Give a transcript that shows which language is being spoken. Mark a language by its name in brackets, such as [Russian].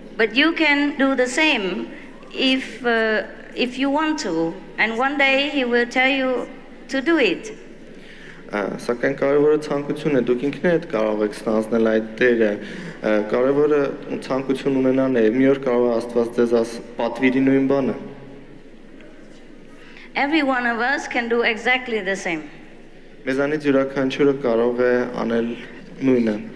[English] But you can do the same if you want to, and one day he will tell you to do it. [Armenian] Սակայն կարևորը ցանկությունն է, դուք ինքներդ կարող եք ստանձնել այդ դերը։ Կարևորը ցանկություն ունենան է, մի օր կարող է Աստված ձեզ պատվիրի նույն բանը։ [English] Every one of us can do exactly the same. [Armenian] Մեզանից յուրաքանչյուրը կարող է անել նույնը։